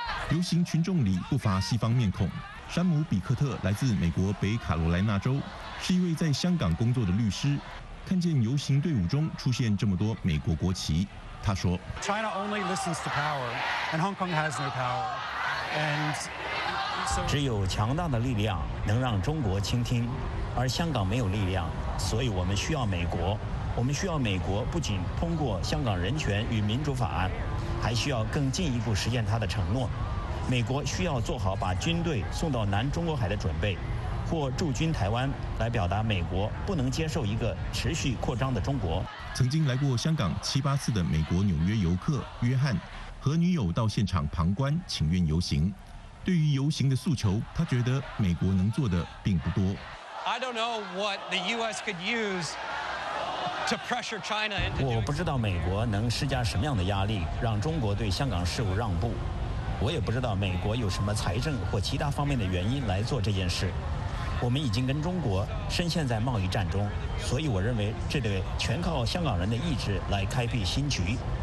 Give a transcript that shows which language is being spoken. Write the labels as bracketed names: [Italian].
[Chinese] 游行群众里不乏西方面孔。山姆·比克特来自美国北卡罗来纳州，是一位在香港工作的律师。看见游行队伍中出现这么多美国国旗，他说 [English] China only listens to power and Hong Kong has no power and so [Chinese] 只有强大的力量能让中国倾听，而香港没有力量，所以我们需要美国。我们需要美国不仅通过香港人权与民主法案，还需要更进一步实现他的承诺。美国需要做好把军队送到南中国海的准备，或驻军台湾，来表达美国不能接受一个持续扩张的中国。曾经来过香港七八次的美国纽约游客约翰和女友到现场旁观请愿游行，对于游行的诉求，他觉得美国能做的并不多。 [English] I don't know what the US could use to pressure China into doing. [Chinese] 我不知道美国能施加什么样的压力让中国对香港事务让步，我也不知道美国有什么财政或其他方面的原因来做这件事。我们已经跟中国深陷在贸易战中，所以我认为这得全靠香港人的意志来开辟新局。